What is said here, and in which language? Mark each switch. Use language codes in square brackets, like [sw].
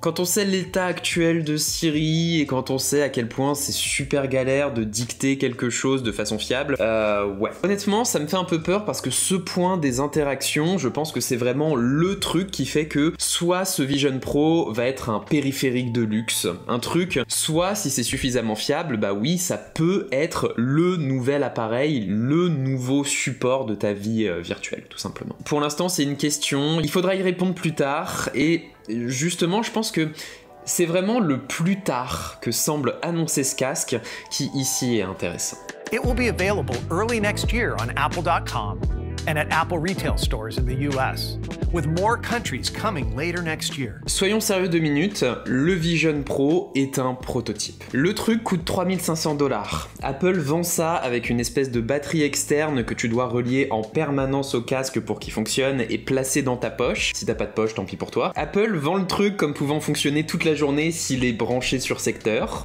[fr] Quand on sait l'état actuel de Siri et quand on sait à quel point c'est super galère de dicter quelque chose de façon fiable, honnêtement, ça me fait un peu peur parce que ce point des interactions, je pense que c'est vraiment le truc qui fait que soit ce Vision Pro va être un périphérique de luxe, un truc, soit si c'est suffisamment fiable, ça peut être le nouvel appareil, le nouveau support de ta vie virtuelle, tout simplement. Pour l'instant, c'est une question, il faudra y répondre plus tard, et justement, je pense que c'est vraiment le plus tard que semble annoncer ce casque qui ici est intéressant. [en] It will be available early next year on apple.com and at Apple retail stores in the US, with more countries coming later next year. [fr] Soyons sérieux deux minutes, le Vision Pro est un prototype. Le truc coûte $3,500. Apple vend ça avec une espèce de batterie externe que tu dois relier en permanence au casque pour qu'il fonctionne et placer dans ta poche. Si t'as pas de poche, tant pis pour toi. Apple vend le truc comme pouvant fonctionner toute la journée s'il est branché sur secteur.